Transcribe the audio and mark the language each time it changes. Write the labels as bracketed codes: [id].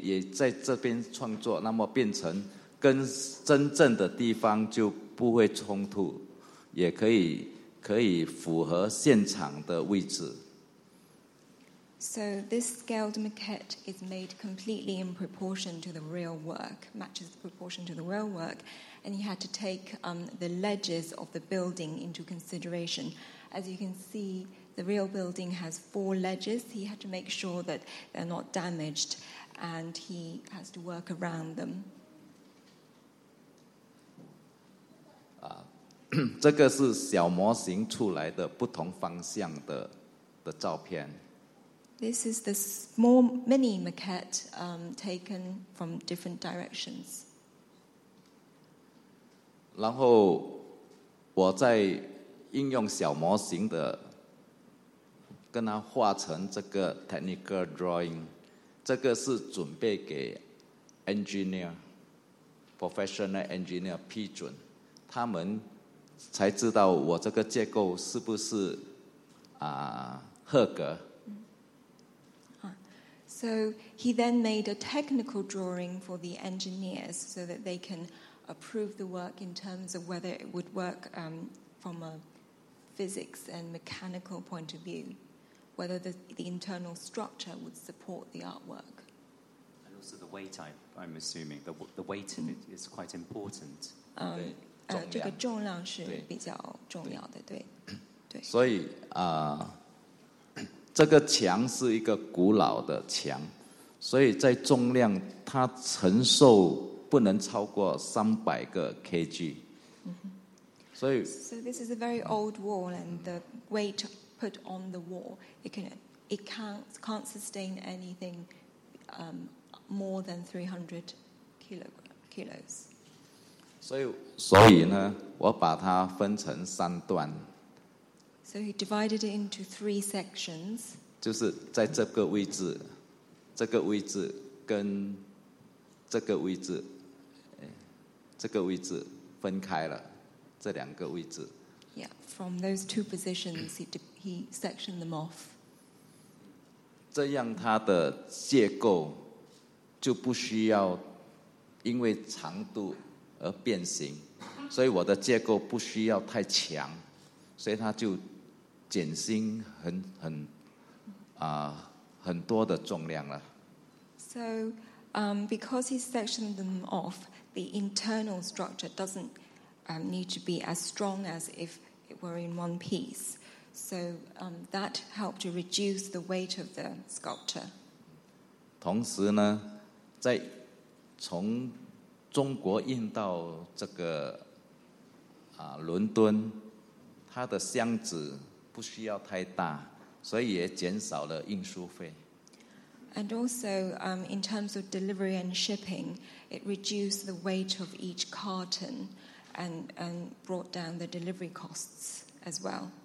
[zh] 现场我是要考虑到这个衡量，所以我的雕塑必须在这边闪过这些线条，所以我就以现场这个比例，我就创作的时候也在这边创作，那么变成。跟真正的地方就不会冲突，也可以符合现场的位置。So [en] this scaled maquette is made completely in proportion to the real work, matches the proportion to the real work, and you had to take the ledges of the building into consideration. As you can see, the real building has four ledges. He had to make sure that they're not damaged, and he has to work around them. [zh] 这个是小模型出来的不同方向的照片。 [en] This is the small mini maquette taken from different directions. [zh] 然后我在应用小模型的跟它画成这个 technical drawing， 这个是准备给 engineer professional engineer 批准，他们才知道我这个结构是不是合格。 [en] So he then made a technical drawing for the engineers so that they can approve the work in terms of whether it would work from a physics and mechanical point of view, whether the internal structure would support the artwork. And also the weight, I'm assuming, the weight in it is quite important. [zh] 这个重量是比较重要的，对。所以这个墙是一个古老的墙，所以在重量它承受不能超过300kg、 mm-hmm. 所以 [en] So this is a very old wall and the weight put on the wall it can't sustain anything more than 300 kilos. [zh] 所以呢我把它分成三段。 [en] So he divided it into three sections. [zh] 就是在这个位置，这个位置跟这个位置，这个位置分开了，这两个位置。 [en] Yeah, from those two positions, he sectioned them off. [zh] 这样它的结构就不需要因为长度而变形，所以我的结构不需要太强，所以它就。减轻很多的重量了。 [en] So, because he sectioned them off, the internal structure doesn't need to be as strong as if it were in one piece. So, that helped to reduce the weight of the sculpture. [zh] 同时呢，在从中国运到这个伦敦，它的箱子。不需要太大，所以也减少了运输费。 [en] And also, in terms of delivery and shipping, it reduced the weight of each carton and brought down the delivery costs as well.